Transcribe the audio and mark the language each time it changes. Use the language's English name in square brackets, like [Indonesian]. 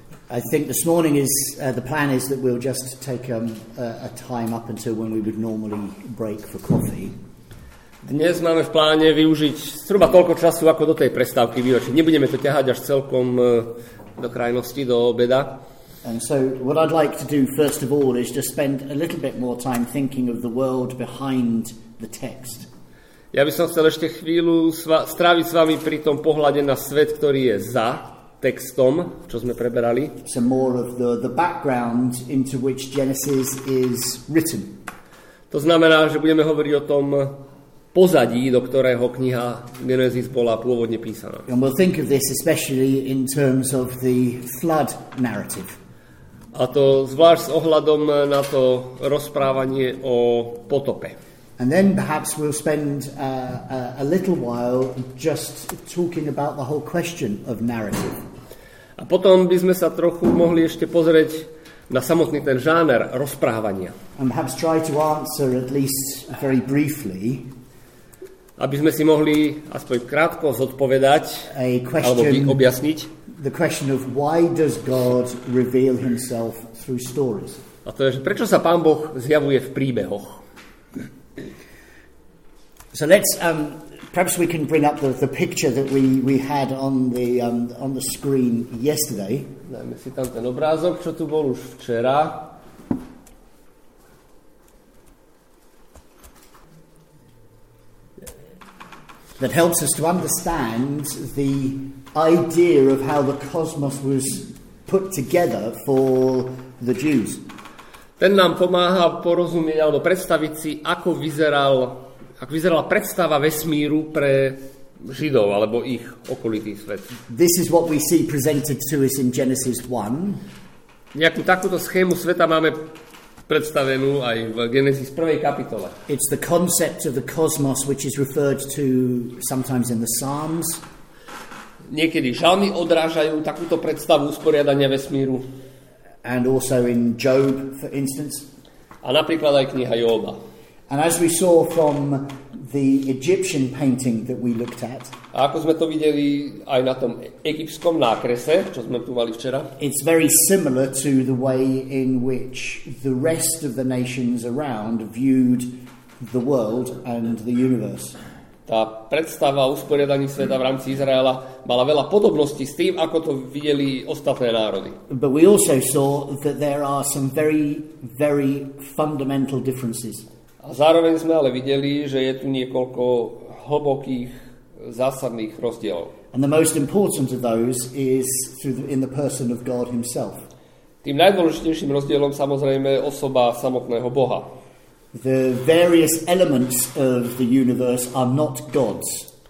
[English] I think this morning is the plan is that we'll just take a time up until when we would normally break for coffee. [Slovak] Dnes máme v pláne využiť zhruba koľko času ako do tej prestávky býva, čiže nebudeme to ťahať až celkom do krajnosti, do obeda. [English] And so what I'd like to do first of all is just spend a little bit more time thinking of the world behind the text. [Slovak] Ja by som chcel ešte chvíľu stráviť s vami pri tom pohľade na svet, ktorý je za textom, čo sme preberali. [English] Some more of the background into which Genesis is written. [Slovak] To znamená, že budeme hovoriť o tom pozadí, do ktorého kniha Genesis bola pôvodne písaná. [English] And we'll think of this especially in terms of the flood narrative. [Slovak] A to zvlášť s ohľadom na to rozprávanie o potope. [English] And then perhaps we'll spend a little while just talking about the whole question of narrative. [Slovak] A potom by sme sa trochu mohli ešte pozrieť na samotný ten žáner rozprávania. [English] And perhaps try to answer at least very briefly. [Slovak] Aby sme si mohli aspoň krátko zodpovedať alebo objasniť. [English] The question of why does God reveal himself through stories? [Slovak] A to je, že prečo sa Pán Boh zjavuje v príbehoch? [English] So let's perhaps we can bring up the picture that we had on the screen yesterday. [Slovak] Dajme si tam ten obrázok, čo tu bol už včera. [English] That helps us to understand the idea of how the cosmos was put together for the Jews. [Slovak] Ten nám pomáha porozumieť alebo predstaviť si, ako vyzeral, ako vyzerala predstava vesmíru pre Židov alebo ich okolitý svet. [English] This is what we see presented to us in Genesis 1. [Slovak] Nejakú takúto schému sveta máme predstavenú aj v Genesis 1. kapitole. [English] It's the concept of the cosmos which is referred to sometimes in the Psalms. [Slovak] Niekedy žalmy odrážajú takúto predstavu usporiadania vesmíru. [English] And also in Job, for instance. [Slovak] A napríklad aj kniha Joba. [English] And as we saw from the Egyptian painting that we looked at. [Slovak] A ako sme to videli aj na tom egyptskom nákrese, čo sme tu mali včera. [English] It's very similar to the way in which the rest of the nations around viewed the world and the universe. [Slovak] Tá predstava o usporiadaní sveta v rámci Izraela mala veľa podobností s tým, ako to videli ostatné národy. [English] But we also saw that there are some very, very fundamental differences. [Slovak] A zároveň sme ale videli, že je tu niekoľko hlbokých, zásadných rozdielov. [English] And the most important of those is in the person of God himself. [Slovak] Tým najdôležitejším rozdielom samozrejme osoba samotného Boha. [English] The various elements of the universe are not gods.